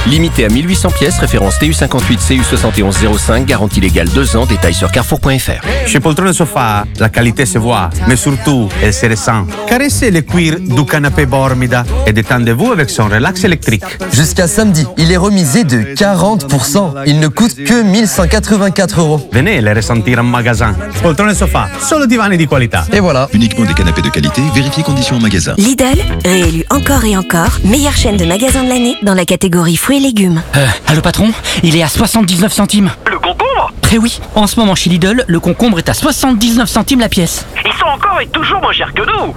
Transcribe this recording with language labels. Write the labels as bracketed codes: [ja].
[fr] Limité à 1800 pièces, référence TU58 CU7105, garantie légale 2 ans, détails sur carrefour.fr. Chez Poltrone Sofa, la qualité se voit, mais surtout, elle se ressent. Caressez le cuir du canapé Bormida et détendez-vous avec son relax électrique. Jusqu'à samedi, il est remisé de 40%. Il ne coûte que 1184 €. Venez les ressentir en magasin. [it] Poltrone Sofa, solo divani di qualità. [fr] Et voilà. Uniquement des canapés de qualité, vérifiez conditions en magasin. Lidl, réélu encore et encore, meilleure chaîne de magasins de l'année dans la catégorie fruits et légumes. Allô patron, il est à 79 centimes. Le concombre ? Eh oui, en ce moment chez Lidl, le concombre est à 79 centimes la pièce. Ils sont encore et toujours moins chers que nous.